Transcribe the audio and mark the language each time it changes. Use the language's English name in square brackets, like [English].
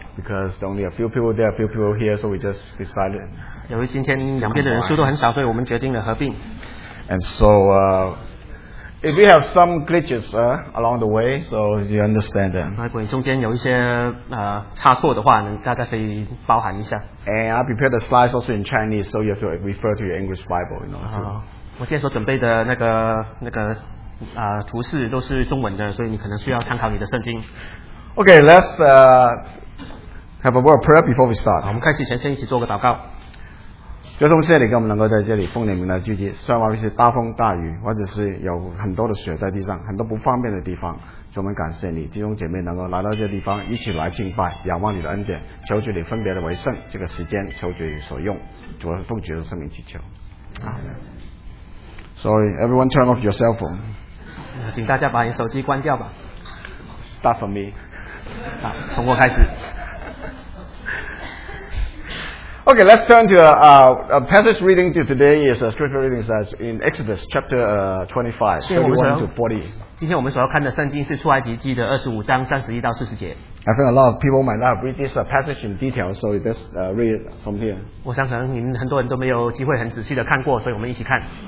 [English] because only a few people there, a few people here, so we just decided. [Chinese] 由于今天两边的人数都很少，所以我们决定了合并。 [English] And so, if you have some glitches along the way, so you understand them. [Chinese] 如果中间有一些差错的话，大家可以包含一下。 [English] And I prepared the slides also in Chinese, so you have to refer to your English Bible, you know. [Chinese] 我今天所准备的那个。图示都是中文的，所以你可能需要参考你的圣经。 [English] Okay, let's have a word of prayer before we start. [Chinese] 我们开始前先一起做个祷告。就从这里，跟我们能够在这里奉你名来聚集，虽然外面是大风大雨，或者是有很多的雪在地上，很多不方便的地方，所以我们感谢你，弟兄姐妹能够来到这地方，一起来敬拜，仰望你的恩典，求主你分别的为圣，这个时间求主你所用，主要是奉主的圣名祈求。好。 [English] So everyone, turn off your cell phone. [Chinese] 请大家把你手机关掉吧。 [English] Start from me. [Chinese] 好，从我开始。 [English] Okay, let's turn to a passage reading to today is a scripture reading that's in Exodus chapter 25, 31 to 40. [Chinese] 今天我们所要看的圣经是出埃及记的25章31到40节。 [English] I think a lot of people might not read this passage in detail, so let's read it from here. [Chinese] 我想可能你们很多人都没有机会很仔细的看过，所以我们一起看。